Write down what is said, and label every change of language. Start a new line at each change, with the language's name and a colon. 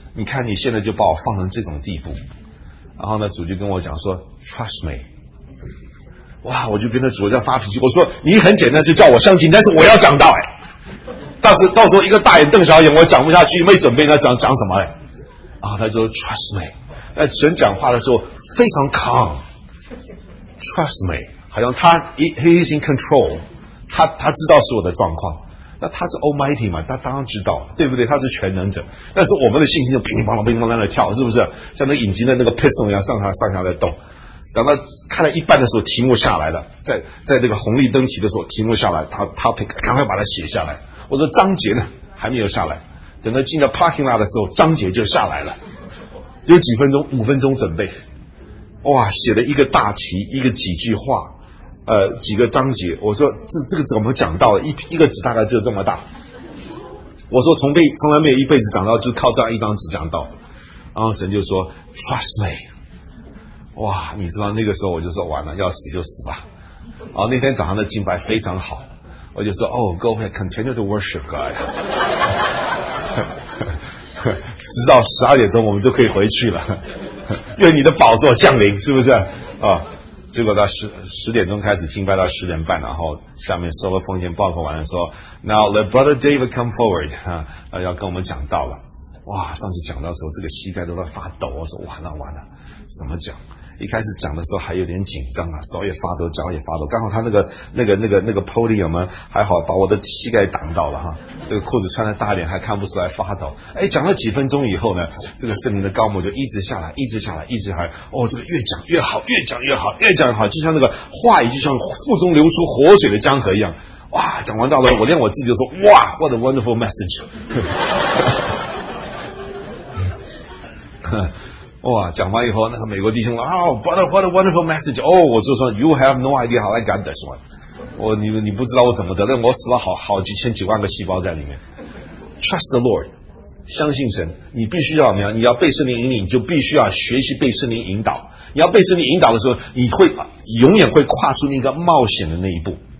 Chinese: 你看你现在就把我放成这种地步。然后呢，主就跟我讲说 ，
English: trust me。
Chinese: 哇，我就跟着主在发脾气。我说你很简单是叫我相信，但是我要讲道哎。但是到时候一个大眼瞪小眼，我讲不下去，没准备那讲什么嘞？然后他说
English: trust me。
Chinese: 那神讲话的时候非常 calm。
English: Trust me，
Chinese: 好像他
English: he is in control。
Chinese: 他知道所有的状况，那他是 Almighty 嘛，他当然知道，对不对？他是全能者，但是我们的信心就乒乓乓乒乓乓的跳，是不是？像那引擎的那个 piston 一样上下在动。等到看了一半的时候，题目下来了，在那个红绿灯题的时候，题目下来，他赶快把它写下来。我说章节呢，还没有下来。等到进到 parking lot 的时候，章节就下来了。有几分钟，五分钟准备，哇，写了一个大题，一个几句话。几个章节，我说这个怎么讲到一个纸大概就这么大。我说从来没有一辈子讲到就靠这样一张纸讲到。然后神就说 ,
English: trust me。
Chinese: 哇，你知道那个时候我就说完了，要死就死吧。然后那天早上的敬拜非常好。我就说
English: ,oh, go ahead, continue to worship God.
Chinese: 直到12点钟我们就可以回去了。愿你的宝座降临，是不是啊。结果到十点钟开始敬拜到十点半，然后下面收了奉献报告完了说
English: Now let brother David come forward、
Chinese: 要跟我们讲道了。哇，上次讲到的时候这个膝盖都在发抖，我说完了完了，怎么讲？一开始讲的时候还有点紧张啊，手也发抖，脚也发抖，刚好他那个 podium 还好把我的膝盖挡到了哈，这个裤子穿得大一点还看不出来发抖。哎，讲了几分钟以后呢，这个圣灵的高牧就一直下来，一直下来，一直下来。哦，这个越讲越好，越讲越好，越讲越好，就像那个话语就像腹中流出活水的江河一样。哇，讲完到了，我连我自己就说哇 ，
English: what a wonderful message。
Chinese: 哇，讲完以后那个美国弟兄说
English: Oh, brother, what a wonderful message. 哦、oh,
Chinese: 我就说
English: You have no idea how I got this one.
Chinese: 我你不知道我怎么得了，我死了好几千几万个细胞在里面。
English: Trust the Lord.
Chinese: 相信神，你必须要怎么样，你要被圣灵引领，你就必须要学习被圣灵引导。你要被圣灵引导的时候，你会永远会跨出那个冒险的那一步。